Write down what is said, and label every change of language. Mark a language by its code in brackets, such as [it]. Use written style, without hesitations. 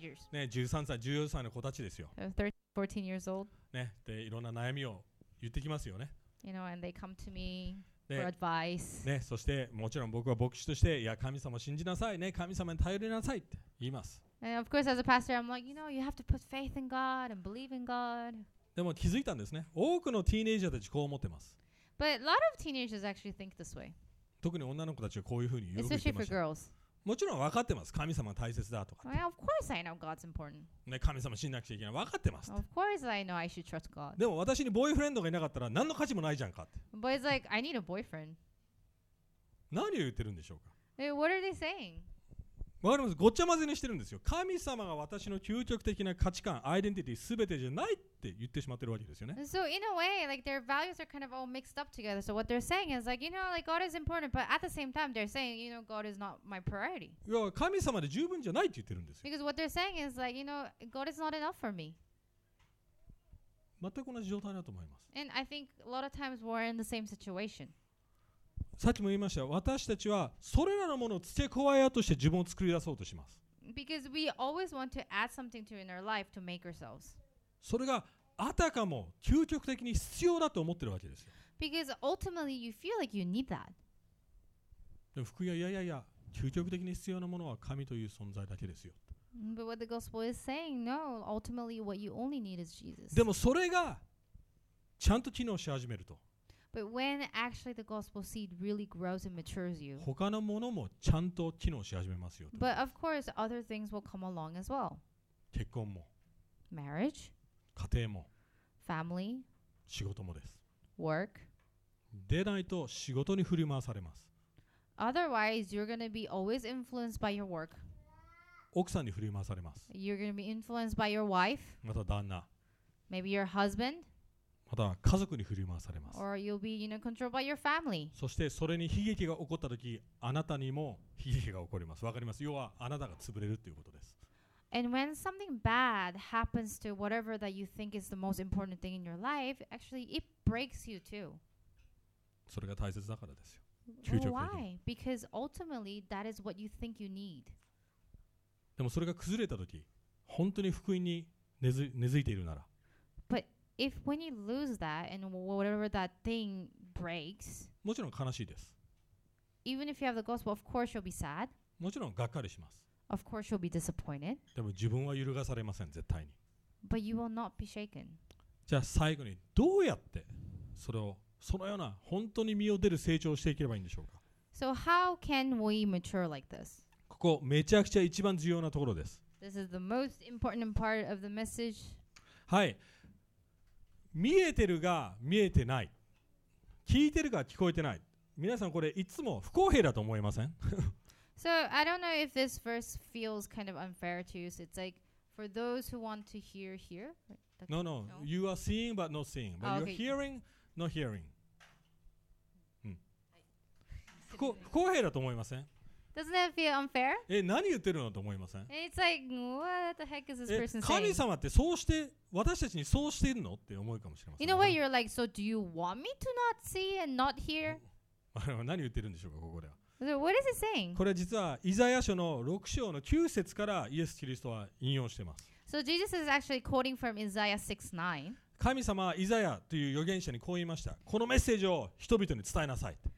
[ja] ね、13歳、14歳の子たちですよ。 [en] 13、14 years old.、 [ja] ね、で、いろんな悩みを言ってきますよね。 [en] You know, and they come to me for advice. [ja] ね、そして、もちろん僕は牧師として、いや、神様信じなさい、ね、神様に頼りなさいって言います。 [en] And of course, as a pastor, I'm like, you know, you have to put faith in God and believe in God. [ja] でも気づいたんですね。多くのティーネイジャーたちこう思ってます。 [en] But a lot of teenagers actually think this way. [ja] 特に女の子たちはこういうふうに言うことができます。もちろん分かってます。神様は大切だとか。 [en] Well, of course I know God's important. [ja] ね、神様信じなくちゃいけない。分かってます。 [en] Of course I know I should trust God. [ja] でも私にボーイフレンドがいなかったら何の価値もないじゃんかって。 [en] But it's like, I need a boyfriend. [ja] 何を言ってるんでしょうか。 [en] Hey, what are they saying? [ja] わかります。ごっちゃ混ぜにしてるんですよ。神様が私の究極的な価値観、アイデンティティ、すべてじゃないって言ってしまってるわけですよね。 [en] So in a way, like their values are kind of all mixed up together. So what they're saying is like, you know, like God is important, but at the same time, they're saying, you know, God is not my priority. [ja] いや、神様で十分じゃないって言ってるんですよ。 [en] Because what they're saying is like, you know, God is not enough for me. [ja] 全く同じ状態だと思います。 [en] And I think a lot of times we're in the same situation. [ja] さっきも言いました。私たちはそれらのものを付け加えようとして自分を作り出そうとします。 [en] Because we always want to add something to in our life to make ourselves. [ja] それがあたかも究極的に必要だと思ってるわけですよ。 [en] Because ultimately you feel like you need that. [ja] でも福音はいやいやいや、究極的に必要なものは神という存在だけですよ。 [en] But what the gospel is saying, no, ultimately what you only need is Jesus. [ja] でもそれがちゃんと機能し始めると。 [en] But when actually the gospel seed really grows and matures you, [ja] 他のものもちゃんと機能し始めますよ。 [en] But of course, other things will come along as well. [ja] 結婚も、 [en] marriage、 [ja] 家庭も、 [en] family、 [ja] 仕事もです。 [en] Work。 [ja] でないと仕事に振り回されます。 [en] Otherwise, you're gonna be always influenced by your work. [ja] 奥さんに振り回されます。 [en] You're gonna be influenced by your wife. [ja] また旦那。 [en] Maybe your husband. [ja] また家族に振り回されます。 [en] Or you'll be, you know, controlled by your family. [ja] そしてそれに悲劇が起こったとき、あなたにも悲劇が起こります。わかります。要はあなたが潰れるということです。 [en] And when something bad happens to whatever that you think is the most important thing in your life, actually it breaks you too. [ja] それが大切だからですよ。究極的に。 [en] Why? Because ultimately that is what you think you need. [ja] でもそれが崩れた時、本当に福音に根付いているなら。 [en] But if when you lose that and whatever that thing breaks, [ja] もちろん悲しいです。 [en] Even if you have the gospel, of course you'll be sad. [ja] もちろんがっかりします。 [en] Of course you'll be disappointed. [ja] でも自分は揺るがされません、絶対に。 [en] But you will not be shaken. [ja] じゃあ最後にどうやってそれをそのような本当に身を出る成長をしていければいいんでしょうか。 [en] So how can we mature like this? [ja] ここめちゃくちゃ一番重要なところです。 [en] This is the most important part of the message. [ja] はい。見えてるが見えてない。聞いてるが聞こえてない。皆さんこれいつも不公平だと思いません [en] So I don't know if this verse feels kind of unfair to you. So it's like for those who want to hear, hear. No, no. You are seeing but not seeing. But、oh, you're、okay. hearing, not hearing.、 [ja] うん、不公平だと思いません [en] Doesn't that feel unfair? [ja] 何言ってるのと思いません [en] It's like, what the heck is this person saying? [ja] 神様ってそうして私たちにそうしているのって思うかもしれません [en] You know what? You're like, so do you want me to not see and not hear? [ja] 何言ってるんでしょうかここでは。 [en] So、what is it saying? [ja] これは実はイザヤ書の6章の9節からイエス・キリストは引用しています。 [en] So、Jesus is actually quoting from Isaiah 6:9. [ja] 神様はイザヤという預言者にこう言いました。このメッセージを人々に伝えなさい。